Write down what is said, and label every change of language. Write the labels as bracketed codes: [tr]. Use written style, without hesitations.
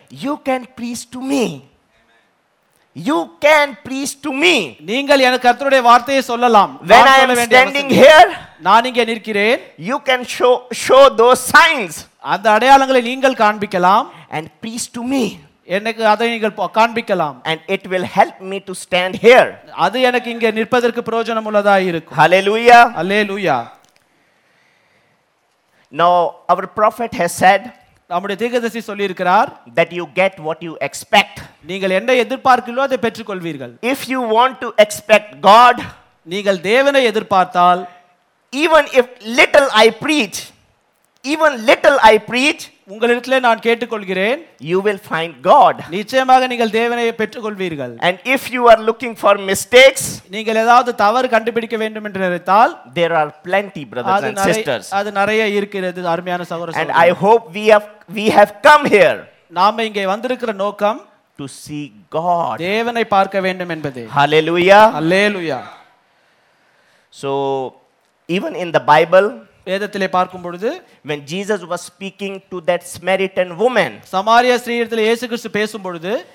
[en] You can preach to me. [ta] நீங்கள் எனக்கு கர்த்தருடைய வார்த்தையை சொல்லலாம். [en] When I am standing here, [ta] நான் இங்கே நிற்கிறேன். [en] You can show those signs. [ta] அந்த அடையாளங்களை நீங்கள் காண்பிக்கலாம். [en] And preach to me. [ta] எனக்கு அதை நீங்கள் காண்பிக்கலாம். [en] And it will help me to stand here. [ta] அது எனக்கு இங்கே நிற்பதற்கு பிரயோஜனம் உள்ளதாக இருக்கும். [en] Hallelujah. Hallelujah. Now our prophet has said, [ta] நம்முடைய தீர்க்கதரிசி சொல்லி இருக்கிறார், [en] that you get what you expect. [ta] நீங்கள் என்ன எதிர்பார்க்கிறீர்களோ அதை பெற்றுக் கொள்வீர்கள். [en] If you want to expect God, [ta] நீங்கள் தேவனை எதிர்பார்த்தால், [en] even if little I preach, [ta] உங்களிடத்திலே நான் கேட்டுக்கொள்கிறேன், [en] you will find God. [ta] நிச்சயமாக நீங்கள் தேவனை பெற்றுக் கொள்வீர்கள். [en] And if you are looking for mistakes, [ta] நீங்கள் ஏதாவது தவறு கண்டுபிடிக்க வேண்டும் என்று நினைத்தால், [en] there are plenty brothers and sisters. [ta] அது நிறைய இருக்கிறது அருமையான சகோதர. [en] And I hope we have come here. [ta] நாம் இங்கே வந்திருக்கிற நோக்கம் [en] to see God. [ta] தேவனை பார்க்க வேண்டும் என்பதே. [en] Hallelujah. Hallelujah. So even in the Bible, [ta] வேதத்திலே பார்க்கும் பொழுது, [en] when Jesus was speaking to that Samaritan woman, [ta] சமாரிய ஸ்திரீயிடத்திலே இயேசு கிறிஸ்து பேசும் பொழுது,